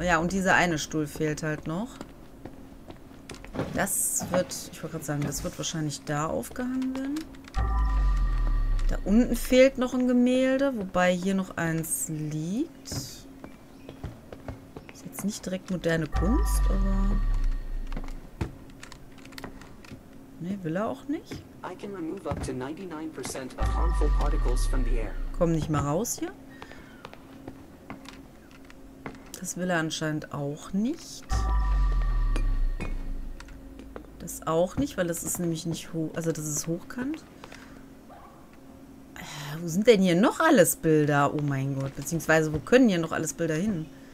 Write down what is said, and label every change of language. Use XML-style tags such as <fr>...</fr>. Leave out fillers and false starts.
<de>Ja, und dieser eine Stuhl fehlt halt noch. Das wird... Ich wollte gerade sagen, das wird wahrscheinlich da aufgehangen werden. Da unten fehlt noch ein Gemälde, wobei hier noch eins liegt. Ist jetzt nicht direkt moderne Kunst, aber... Nee, will er auch nicht.</de> <en>I can remove up to 99% of harmful particles from the air.</en> <de>Komm nicht mal raus hier. Das will er anscheinend auch nicht. Das auch nicht, weil das ist nämlich nicht hoch. Also das ist hochkant. Wo sind denn hier noch alles Bilder? Oh mein Gott. Beziehungsweise, wo können hier noch alles Bilder hin?</de>